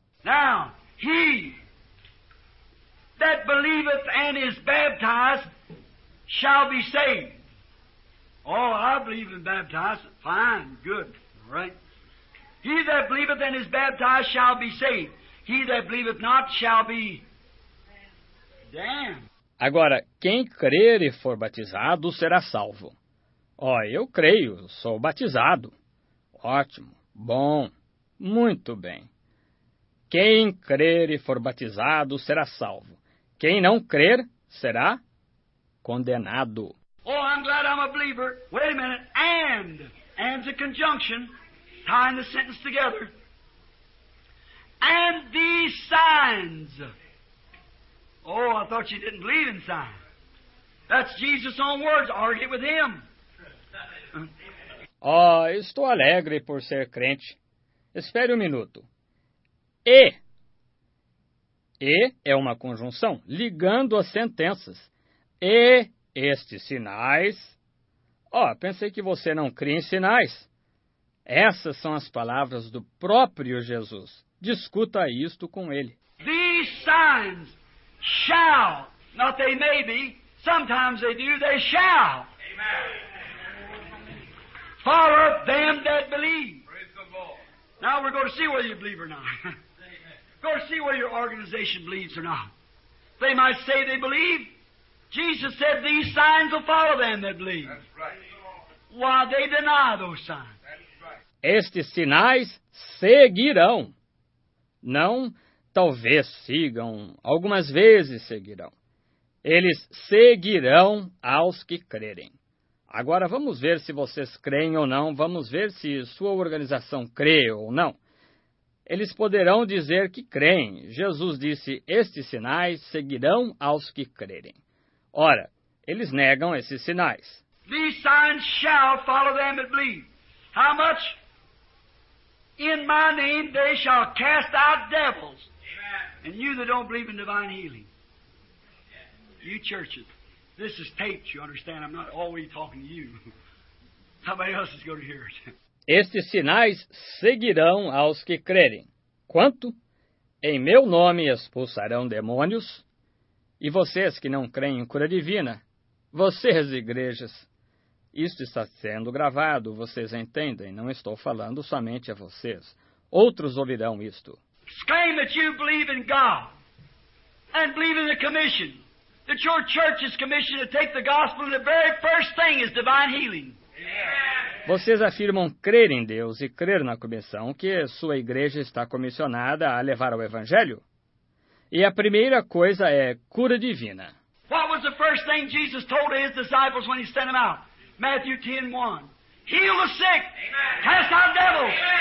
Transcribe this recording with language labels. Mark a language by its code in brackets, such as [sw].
[en] Now, he that believeth and is baptized shall be saved. Oh, I believe in baptized. Fine, good, right. He that believeth and is baptized shall be saved. He that believeth not shall be damned. [pt] Agora, quem crer e for batizado será salvo. Oh, eu creio, sou batizado. Ótimo, bom, muito bem. Quem crer e for batizado será salvo. Quem não crer será condenado. [en] Oh, I'm glad I'm a believer. Wait a minute. And's a conjunction, tying the sentence together. And these signs. Oh, I thought you didn't believe in signs. That's Jesus' own words. Argue with him. [pt] Oh, estou alegre por ser crente. Espere um minuto. E é uma conjunção ligando as sentenças. E estes sinais. Oh, pensei que você não crê em sinais. Essas são as palavras do próprio Jesus. Discuta isto com ele. [en] These signs shall, not they may be, sometimes they do, they shall. Amen. Follow them that believe. Praise the Lord. Now we're going to see whether you believe or not. Go to see whether your organization believes or not. They might say they believe. Jesus said these signs will follow them that believe. That's right. Why, they deny those signs. That's right. [pt] Estes sinais seguirão. Não, talvez sigam, algumas vezes seguirão. Eles seguirão aos que crerem. Agora vamos ver se vocês creem ou não, vamos ver se sua organização crê ou não. Eles poderão dizer que creem. Jesus disse, estes sinais seguirão aos que crerem. Ora, eles negam esses sinais. [en] These signs shall follow them that believe. How much? In my name they shall cast out devils. Amen. And you that don't believe in divine healing. You churches. This is taped, you understand? I'm not always talking to you. Somebody else is going to hear it. [pt] Estes sinais seguirão aos que crerem. Quanto? Em meu nome expulsarão demônios. E vocês que não creem em cura divina, vocês, igrejas, isto está sendo gravado, vocês entendem, não estou falando somente a vocês. Outros ouvirão isto. [en] Exclaim that you believe in God and believe in the commission. That your church is commissioned to take the gospel and the very first thing is divine healing. [pt] Vocês afirmam crer em Deus e crer na comissão que sua igreja está comissionada a levar o evangelho? E a primeira coisa é cura divina. [en] What was the first thing Jesus told his disciples when he sent them out? Matthew 10:1. Heal the sick. Cast out devils.